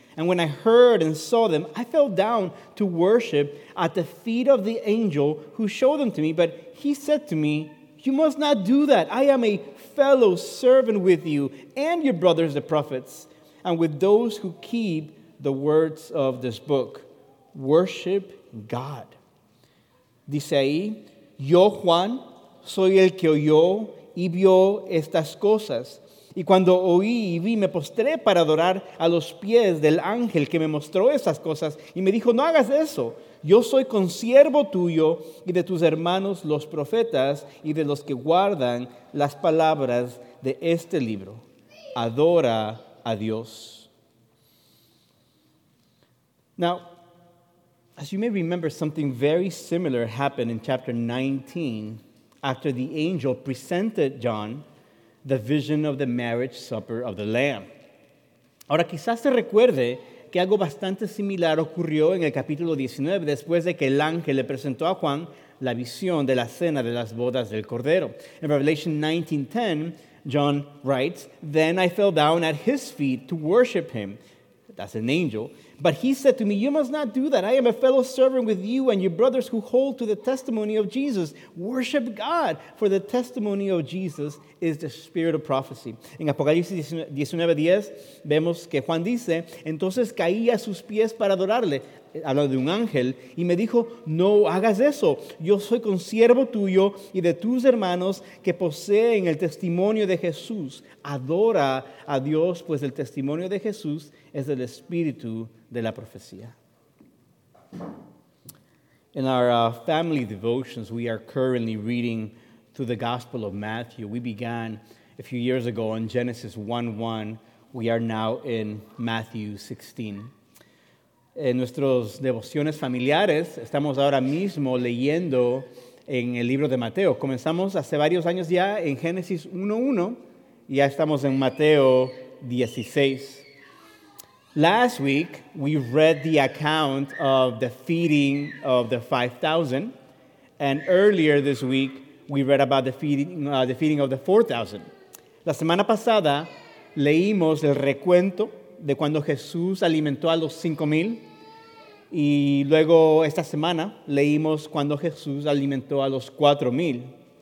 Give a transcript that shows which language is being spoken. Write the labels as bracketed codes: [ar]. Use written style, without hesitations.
[en] And when I heard and saw them, I fell down to worship at the feet of the angel who showed them to me. But he said to me, you must not do that. I am a fellow servant with you and your brothers, the prophets, and with those who keep the words of this book. Worship God. [es] Dice ahí, yo, Juan, soy el que oyó y vio estas cosas. Y cuando oí y vi, me postré para adorar a los pies del ángel que me mostró esas cosas. Y me dijo, no hagas eso. Yo soy consiervo tuyo y de tus hermanos los profetas y de los que guardan las palabras de este libro. Adora a Dios. [en] Now, as you may remember, something very similar happened in chapter 19 after the angel presented John the vision of the marriage supper of the Lamb. [es] Ahora, quizás se recuerde que algo bastante similar ocurrió en el capítulo 19 después de que el ángel le presentó a Juan la visión de la cena de las bodas del Cordero. [en] In Revelation 19:10, John writes, then I fell down at his feet to worship him. That's an angel. But he said to me, you must not do that. I am a fellow servant with you and your brothers who hold to the testimony of Jesus. Worship God, for the testimony of Jesus is the spirit of prophecy. [es] En Apocalipsis 19:10, vemos que Juan dice, entonces caí a sus pies para adorarle. Habla de un ángel. Y me dijo, no hagas eso. Yo soy consiervo tuyo y de tus hermanos que poseen el testimonio de Jesús. Adora a Dios, pues el testimonio de Jesús es el espíritu de la profecía. [en] In our family devotions, we are currently reading through the Gospel of Matthew. We began a few years ago in Genesis 1:1. We are now in Matthew 16. [es] En nuestras devociones familiares, estamos ahora mismo leyendo en el libro de Mateo. Comenzamos hace varios años ya en Génesis 1:1 y ya estamos en Mateo 16. [en] Last week, we read the account of the feeding of the 5,000. And earlier this week, we read about the feeding of the 4,000. [es] La semana pasada, leímos el recuento de cuando Jesús alimentó a los 5,000. Y luego, esta semana, leímos cuando Jesús alimentó a los 4,000.